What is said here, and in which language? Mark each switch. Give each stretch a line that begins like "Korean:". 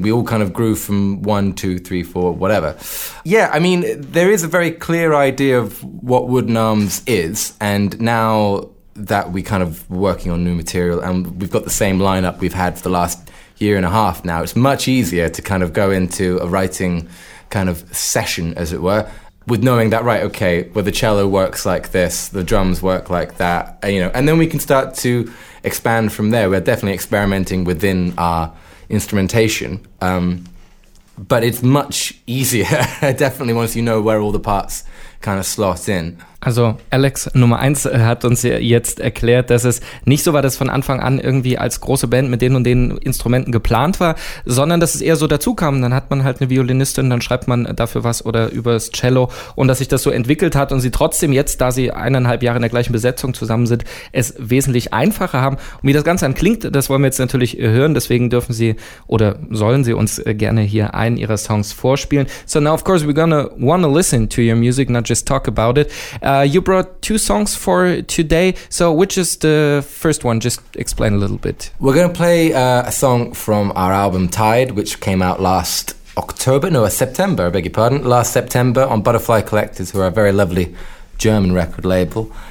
English: We all kind of grew from one, two, three, four, whatever. Yeah, I mean, there is a very clear idea of what Wooden Arms is, and now that we kind of working on new material and we've got the same lineup we've had for the last year and a half now, it's much easier to kind of go into a writing kind of session, as it were, with knowing that, right, okay, well, the cello works like this, the drums work like that, you know, and then we can start to expand from there. We're definitely experimenting within our instrumentation, but it's much easier definitely once you know where all the parts kind of slot in.
German: Also Alex Nummer 1 hat uns jetzt erklärt, dass es nicht so war, dass von Anfang an irgendwie als große Band mit den und den Instrumenten geplant war, sondern dass es eher so dazu kam. Dann hat man halt eine Violinistin, dann schreibt man dafür was oder übers Cello, und dass sich das so entwickelt hat und sie trotzdem jetzt, da sie 1,5 Jahre in der gleichen Besetzung zusammen sind, es wesentlich einfacher haben. Und wie das Ganze dann klingt, das wollen wir jetzt natürlich hören, deswegen dürfen Sie oder sollen Sie uns gerne hier einen Ihrer Songs vorspielen.
English: So now of course we're gonna wanna listen to your music, not just talk about it. You brought 2 songs for today. So which is the first one? Just explain a little bit. We're going to play a song from our album Tide, which came out last September on Butterfly Collectors, who are a very lovely German record label.